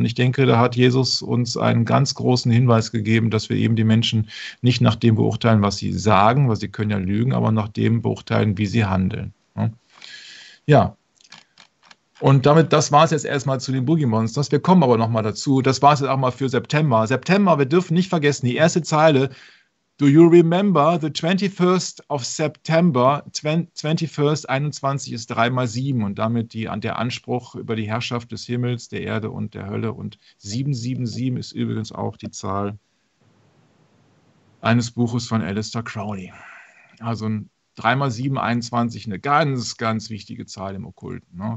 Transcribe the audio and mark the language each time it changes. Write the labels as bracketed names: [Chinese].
[German] Und ich denke, da hat Jesus uns einen ganz großen Hinweis gegeben, dass wir eben die Menschen nicht nach dem beurteilen, was sie sagen, weil sie können ja lügen, aber nach dem beurteilen, wie sie handeln. Ja. Und damit, das war es jetzt erstmal zu den Boogie Monsters. Wir kommen aber nochmal dazu. Das war es jetzt auch mal für September. September, wir dürfen nicht vergessen, die erste Zeile. [English] Do you remember the 21st of September? [German] 21 ist 3x7 und damit der Anspruch über die Herrschaft des Himmels, der Erde und der Hölle. Und 777 ist übrigens auch die Zahl eines Buches von Aleister Crowley. Also ein 3x7, 21, eine ganz, ganz wichtige Zahl im Okkulten. Ne?